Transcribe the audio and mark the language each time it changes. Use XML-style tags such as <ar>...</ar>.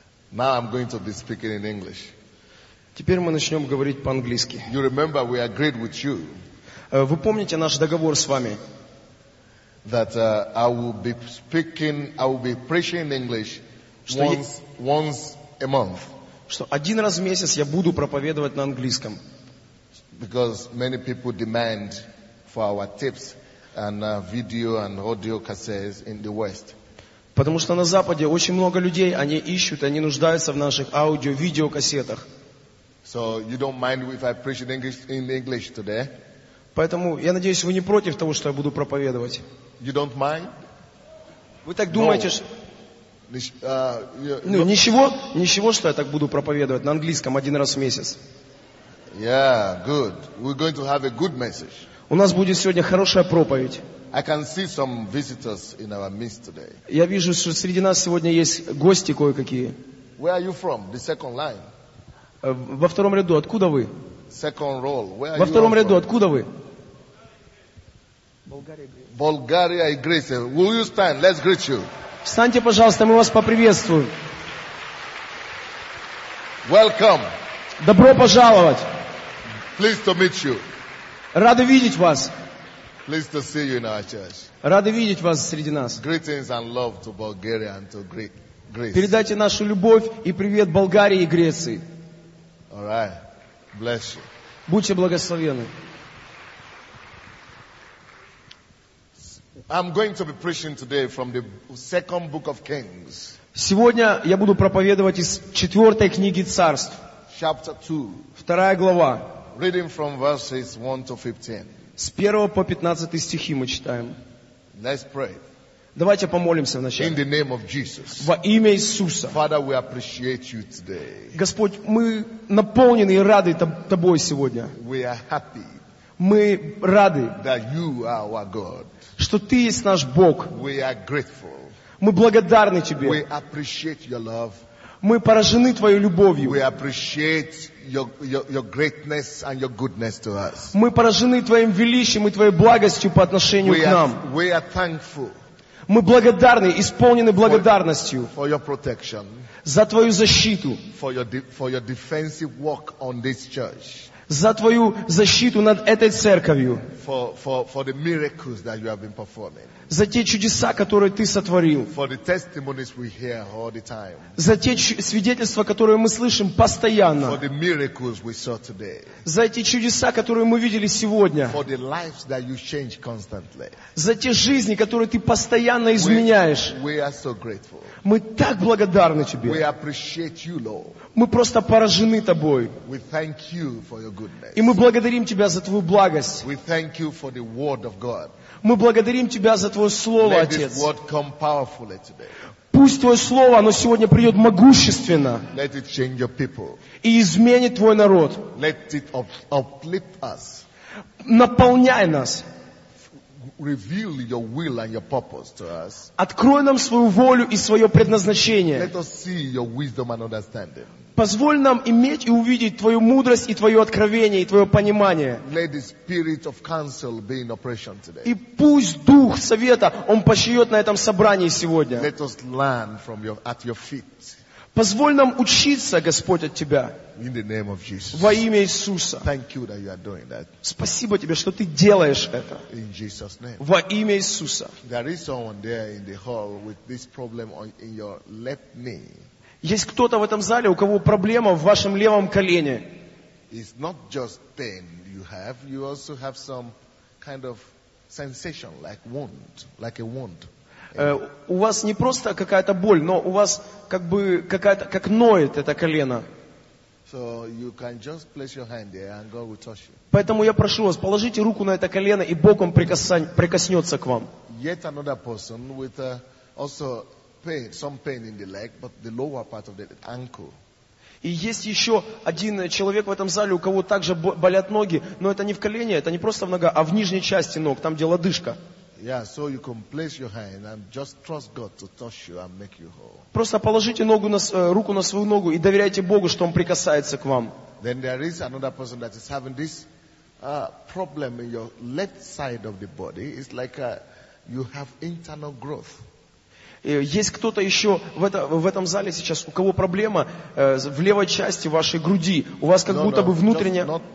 <en>Now I'm going to be speaking in English.</en> <ru>Теперь мы начнем говорить по-английски.</ru> <en>You remember we agreed with you.</en> <ru>Вы помните наш договор с вами?</ru> <en>That I will be preaching in English once a month.</en> <ru>Что один раз в месяц я буду проповедовать на английском.</ru> <en>Because many people demand for our tapes and video and audio cassettes in the West.</en> <ru>Потому что на Западе очень много людей, они ищут, они нуждаются в наших аудио-видеокассетах.</ru> <en>So you don't mind if I preach in English today?</en> <ru>Поэтому я надеюсь, вы не против того, что я буду проповедовать.</ru> <en>You don't mind?</en> <ru>Вы так думаете, что... Ничего, что я так буду проповедовать на английском один раз в месяц.</ru> <en>Yeah, good. We're going to have a good message.</en> <ru>У нас будет сегодня хорошая проповедь.</ru> <en>I can see some visitors in our midst today.</en> <ru>Я вижу, что среди нас сегодня есть гости кое-какие.</ru> <en>Where are you from? The second line.</en> <ru>Во втором ряду, откуда вы?</ru> <en>Second row. Where are you?</en> <ru>Во втором ряду, откуда вы?</ru> <en>Bulgaria and Greece. Will you stand? Let's greet you.</en> <ru>Встаньте, пожалуйста, мы вас поприветствуем.</ru> <en>Welcome.</en> <ru>Добро пожаловать.</ru> <en>Pleased to meet you.</en> <ru>Рады видеть вас.</ru> <en>Pleased to see you in our church.</en> <ru>Рады видеть вас среди нас.</ru> <en>Greetings and love to Bulgaria and to Greece.</en> <ru>Передайте нашу любовь и привет Болгарии и Греции.</ru> <en>All right. Bless you.</en> <ru>Будьте благословенны.</ru> <en>I'm going to be preaching today from the second book of Kings.</en> <ru>Сегодня я буду проповедовать из четвертой книги Царств.</ru> <en>Chapter 2.</en> <ru>Вторая глава.</ru> <en>Reading from verses 1 to 15.</en> <ru>С 1 по 15 стихи мы читаем.</ru> <en>Let's pray.</en> <ru>Давайте помолимся вначале.</ru> <en>In the name of Jesus.</en> <ru>Во имя Иисуса.</ru> <en>Father, we appreciate you today.</en> <ru>Господь, мы наполнены и рады Тобой сегодня.</ru> <en>We are happy.</en> <ru>Мы рады.</ru> <en>That you are our God.</en> <ru>Что Ты есть наш Бог.</ru> <en>We are grateful.</en> <ru>Мы благодарны Тебе.</ru> <en>We appreciate your love.</en> <ru>Мы поражены Твоей любовью.</ru> <en>We appreciate your greatness and your goodness to us.</en> <ru>Мы поражены Твоим величием и Твоей благостью по отношению к нам.</ru> <en>We are thankful.</en> <ru>Мы благодарны, исполнены благодарностью</ru> <en>for your protection,</en> <ru>за Твою защиту,</ru> <en>for your defensive work on this church,</en> <ru>за Твою защиту над этой церковью,</ru> <en>for the miracles that you have been performing,</en> <ru>за те чудеса, которые Ты сотворил,</ru> <en>for the testimonies we hear all the time,</en> <ru>за те свидетельства, которые мы слышим постоянно,</ru> <en>for the miracles we saw today,</en> <ru>за те чудеса, которые мы видели сегодня,</ru> <en>for the lives that you change constantly,</en> <ru>за те жизни, которые Ты постоянно изменяешь.</ru> <en>We are so grateful.</en> <ru>Мы так благодарны Тебе.</ru> <en>We appreciate you, Lord.</en> <ru>Мы просто поражены Тобой.</ru> <en>We thank you for your goodness.</en> <ru>И мы благодарим Тебя за Твою благость.</ru> <en>We thank you for the word of God.</en> <ru>Мы благодарим Тебя за Твое Слово,</ru> <en>Let</en> <ru>Отец.</ru> <en>This word come powerfully today.</en> <ru>Пусть Твое Слово, оно сегодня придет могущественно.</ru> <en>Let it change your people.</en> <ru>И изменит Твой народ.</ru> <en>Let it uplift us.</en> <ru>Наполняй нас.</ru> <en>Reveal your will and your purpose to us.</en> <ru>Открой нам свою волю и свое предназначение.</ru> <en>Let us see your wisdom and understanding.</en> <ru>Позволь нам иметь и увидеть Твою мудрость и Твое откровение и Твое понимание.</ru> <en>Let the spirit of counsel be in operation today.</en> <ru>И пусть Дух Совета, Он почиет на этом собрании сегодня.</ru> <en>Let us learn from at your feet.</en> <ru>Позволь нам учиться, Господь, от Тебя.</ru> <en>In the name of Jesus.</en> <ru>Во имя Иисуса.</ru> <en>Thank you that you are doing that.</en> <ru>Спасибо Тебе, что Ты делаешь это.</ru> <en>In Jesus' name.</en> <ru>Во имя Иисуса.</ru> <en>There is someone there in the hall with this problem in your left knee.</en> <ru>Есть кто-то в этом зале, у кого проблема в вашем левом колене.</ru> <en>It's not just pain you have, you also have some kind of sensation, like a wound.</en> <ru>У вас не просто какая-то боль, но у вас как бы какая-то, как ноет это колено.</ru> <en>So you can just place your hand there and God will touch you.</en> <ru>Поэтому я прошу вас, положите руку на это колено, и Бог вам прикоснется к вам.</ru> <en>Yet another person with also pain, some pain in the leg, but the lower part of the ankle.</en> <ru>И есть еще один человек в этом зале, у кого также болят ноги, но это не в колене, это не просто в ногах, а в нижней части ног, там где лодыжка.</ru> <en>Yeah, so you can place your hand and just trust God to touch you and make you whole.</en> <ru>Просто положите руку на свою ногу и доверяйте Богу, что Он прикасается к вам.</ru> <en>Then there is another person that is having this problem in your left side of the body. It's like you have internal growth.</en> <ru>Есть кто-то еще в этом зале сейчас, у кого проблема в левой части вашей груди? У вас как будто бы внутренняя...</ru>